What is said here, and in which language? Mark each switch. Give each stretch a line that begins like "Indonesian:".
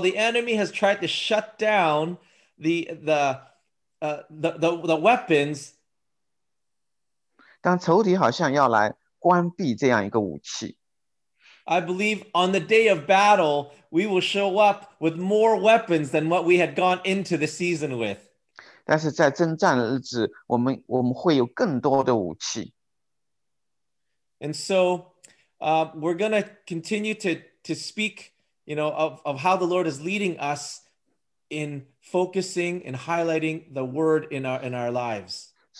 English: the enemy has tried to shut down the weapons.
Chinese: 当仇敌好像要来关闭这样一个武器。
English: I believe on the day of battle, we will show up with more weapons than what we had gone into the season with.
Chinese: 但是在征战日子，我们会有更多的武器。
English: And so we're going to continue to speak, you know, of how the Lord is leading us in focusing and highlighting the word in our lives.